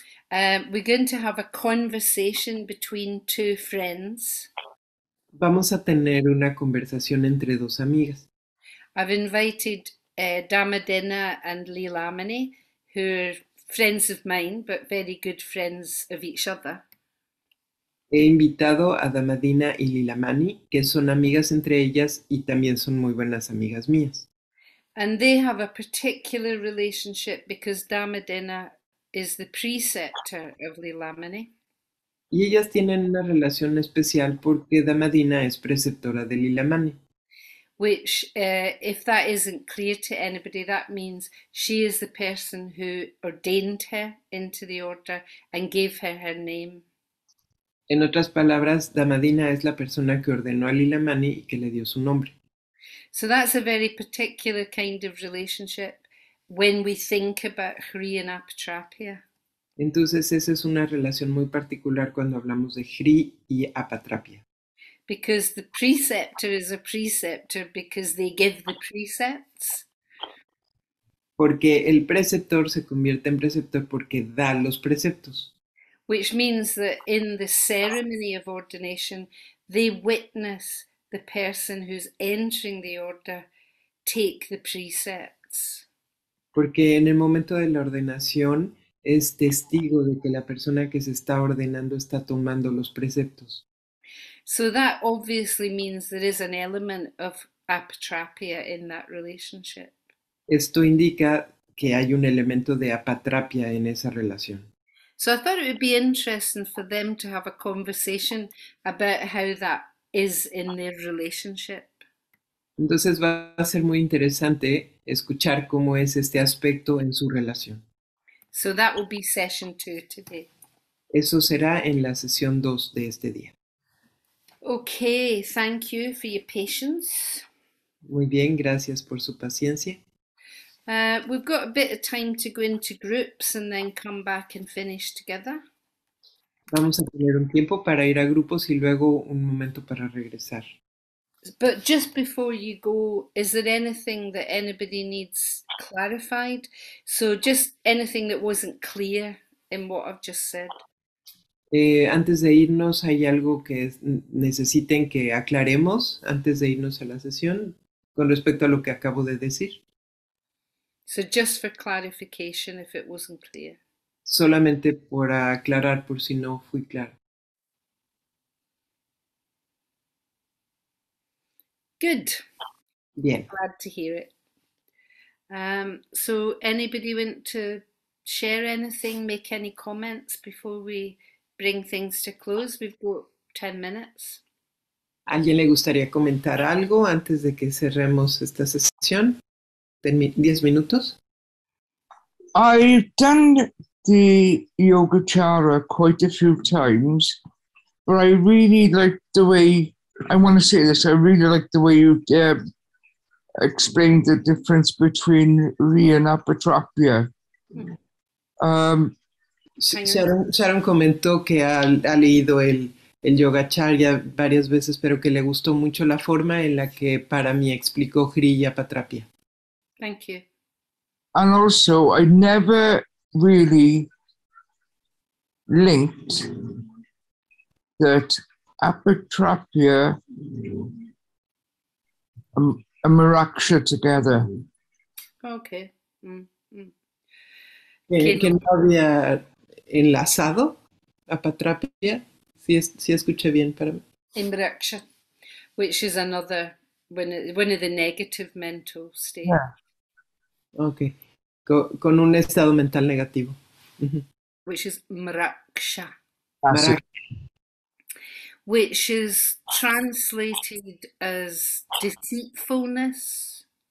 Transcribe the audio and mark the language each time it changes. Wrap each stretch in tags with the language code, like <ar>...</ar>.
<en>We're going to have a conversation between two friends.</en> <es>Vamos a tener una conversación entre dos amigas.</es> <en>I've invited Damodena and Lilamani, who are friends of mine, but very good friends of each other.</en> <es>He invitado a Damadina y Lilamani, que son amigas entre ellas y también son muy buenas amigas mías.</es> <en>And they have a particular relationship because Damodena is the preceptor of Lilamani.</en> <es>Y ellas tienen una relación especial porque Damadina es preceptora de Lilamani.</es> <en>Which, if that isn't clear to anybody, that means she is the person who ordained her into the order and gave her name.</en> <es>En otras palabras, Damadina es la persona que ordenó a Lilamani y que le dio su nombre.</es> <en>So that's a very particular kind of relationship. When we think about hri and apatrapya.</en> <es>Entonces, esa es una relación muy particular cuando hablamos de hri y apatrapya.</es> <en>Because the preceptor is a preceptor because they give the precepts.</en> <es>Porque el preceptor se convierte en preceptor porque da los preceptos.</es> <en>Which means that in the ceremony of ordination, they witness the person who's entering the order take the precepts.</en> <es>Porque en el momento de la ordenación es testigo de que la persona que se está ordenando está tomando los preceptos.</es> <en>So that obviously means there is an element of apatrapya in that relationship.</en> <es>Esto indica que hay un elemento de apatrapia en esa relación.</es> <en>So I thought it would be interesting for them to have a conversation about how that is in their relationship.</en> <es>Entonces va a ser muy interesante escuchar cómo es este aspecto en su relación.</es> <en>So that will be session two today.</en> <es>Eso será en la sesión 2 de este día.</es> <en>Okay, thank you for your patience.</en> <es>Muy bien, gracias por su paciencia.</es> <en>We've got a bit of time to go into groups and then come back and finish together.</en> <es>Vamos a tener un tiempo para ir a grupos y luego un momento para regresar.</es> <en>But just before you go, is there anything that anybody needs clarified? So just anything that wasn't clear in what I've just said.</en> <es>Antes de irnos, ¿hay algo que necesiten que aclaremos antes de irnos a la sesión con respecto a lo que acabo de decir?</es> <en>So just for clarification, if it wasn't clear.</en> <es>Solamente por aclarar, por si no fui claro.</es> <en>Good.</en> <es>Bien.</es> <en>Glad to hear it. So anybody want to share anything, make any comments before we bring things to close? We've got 10 minutes.</en> <es>¿Alguien le gustaría comentar algo antes de que cerremos esta sesión? 10 minutos.</es> <en>I've done the yogacara quite a few times, but I really like the way, I want to say this, I really like the way you explained the difference between hri and apatrapya. Hang on.</en> <es>Sharon comentó que ha leído el Yogacharya varias veces, pero que le gustó mucho la forma en la que Parami explicó hri y apatrapya.</es> <en>Thank you. And also, I never really linked that apatrapya and amaraksha together.</en> <es>Okay. Que Que no había enlazado apatrapya, si escuché bien para mí.</es> <en>Embracha, which is another one of the negative mental states,</en> <es>Okay, con un estado mental negativo.</es> <en>which is mraksha,</en> <es>Así.</es> <en>which is translated as deceitfulness.</en>